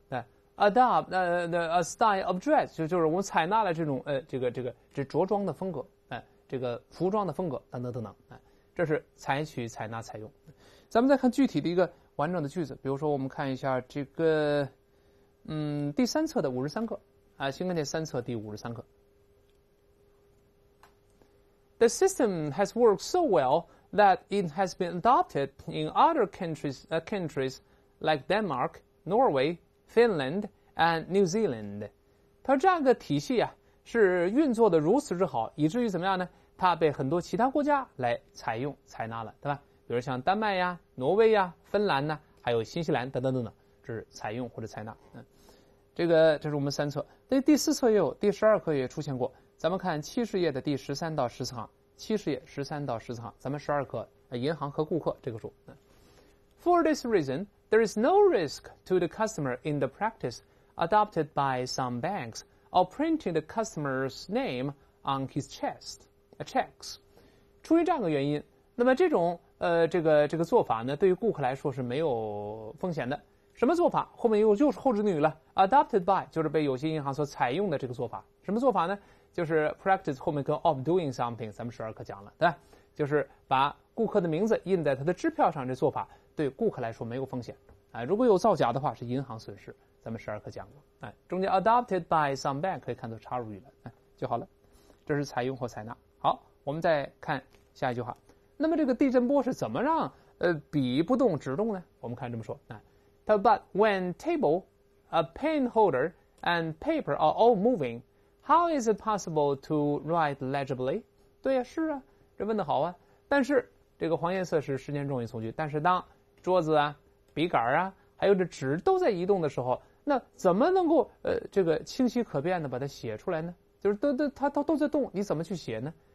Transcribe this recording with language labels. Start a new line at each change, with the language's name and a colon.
Chinese: 那
English: Adopt a style of dress，
Chinese: 就是我们采纳了这种这着装的风格，这个服装的风格等等等等。这是采取、采纳、采用。咱们再看具体的一个完整的句子，比如说我们看一下这个。第三册的53课啊，新概念三册第53课。
English: The system has worked so well that it has been adopted in other countries like Denmark, Norway, Finland, and New Zealand.
Chinese: 它这样的体系啊，是运作的如此之好，以至于怎么样呢？它被很多其他国家来采用、采纳了，对吧？比如像丹麦呀、挪威呀、芬兰呢，还有新西兰等等等等，这是采用或者采纳。这是我们三册，那第四册也有，第十二课也出现过。咱们看70页的第13到14行，70页13到14行，咱们12课银行和顾客这个书。
English: For this reason, there is no risk to the customer in the practice adopted by some banks of printing the customer's name on his chest, checks.
Chinese: 出于这样的原因，那么这种这个做法呢，对于顾客来说是没有风险的。什么做法？后面又就是后置定语了 ，adopted by 就是被有些银行所采用的这个做法。什么做法呢？就是 practice 后面跟
English: of doing something，
Chinese: 咱们十二课讲了，对吧？就是把顾客的名字印在他的支票上，这做法对顾客来说没有风险啊。如果有造假的话，是银行损失，咱们十二课讲过。中间
English: adopted by some bank
Chinese: 可以看作插入语了，就好了。这是采用或采纳。好，我们再看下一句话。那么这个地震波是怎么让比不动只动呢？我们看这么说，
English: But when table, a pen holder, and paper are all moving, how is it possible to write legibly?
Chinese: 对呀、啊，是啊，这问得好啊。但是这个黄颜色是时间重于从句。但是当桌子啊、笔杆啊，还有这纸都在移动的时候，那怎么能够这个清晰可辨的把它写出来呢？就是它都在动，你怎么去写呢？